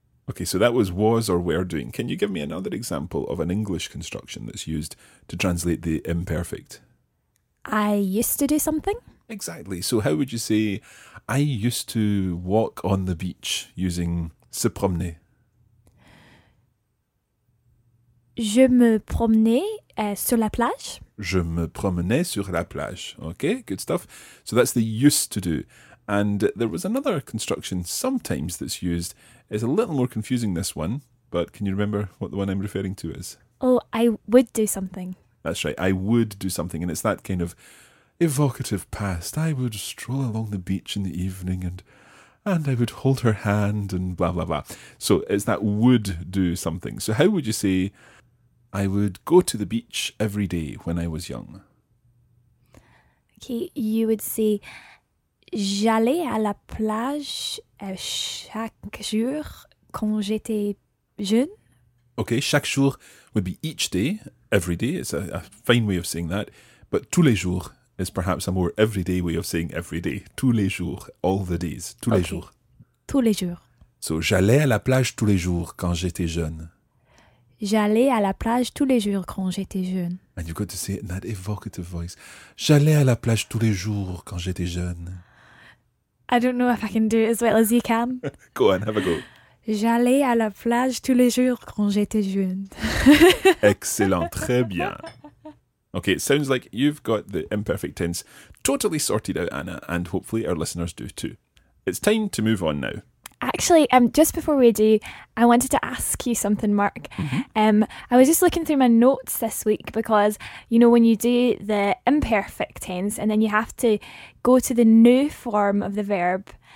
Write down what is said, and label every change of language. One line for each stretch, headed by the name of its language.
English: Okay, so that was or were doing. Can you give me another example of an English construction that's used to translate the imperfect? I used to do something. Exactly. So how would you say I used to walk on the beach using se promener?
French: Je me promenais sur la plage. Je me promenais sur la plage.
English: Okay, good stuff. So that's the used to do. And there was another construction sometimes that's used. It's a little more confusing, this one, but can you remember what the one I'm referring to is? Oh, I would do something. That's right, I would do something. And it's that kind of evocative past. I would stroll along the beach in the evening and I would hold her hand and blah, blah, blah. So it's that would do something. So how would you say I would go to the beach every day when I was young? Okay, you would say
French: j'allais à la plage chaque jour quand j'étais jeune.
English: Okay,
French: chaque jour
English: would be each day, every day. It's a fine way of saying that. But
French: tous les jours
English: is perhaps a more everyday way of saying every day.
French: Tous les jours,
English: all the days,
French: tous les jours. Tous les jours. So j'allais à la plage tous les jours quand j'étais jeune. J'allais à la plage tous les jours quand j'étais jeune.
English: And you've got to say it in that evocative voice.
French: J'allais à la plage tous les jours quand j'étais jeune.
English: I don't know if I can do it as well as you can. Go on, have a go.
French: J'allais à la plage tous les jours quand j'étais jeune. Excellent, très bien.
English: Okay, it sounds like you've got the imperfect tense totally sorted out, Anna, and hopefully our listeners do too. It's time to move on now. Actually, just before we do, I wanted to ask you something, Mark. Mm-hmm. I was just looking through my notes this week because, you know, when you do the imperfect tense and then you have to go to the new form of the verb.